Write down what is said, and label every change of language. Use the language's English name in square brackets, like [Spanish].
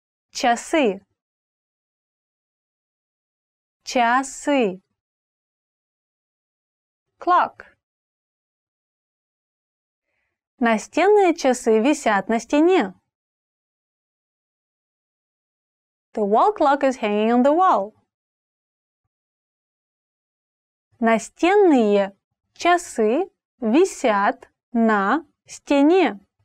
[Russian] Часы. Часы. [English] Clock. [Russian] Настенные часы висят на стене. [English] The wall clock is hanging on the wall. [Russian] Настенные часы висят на стене.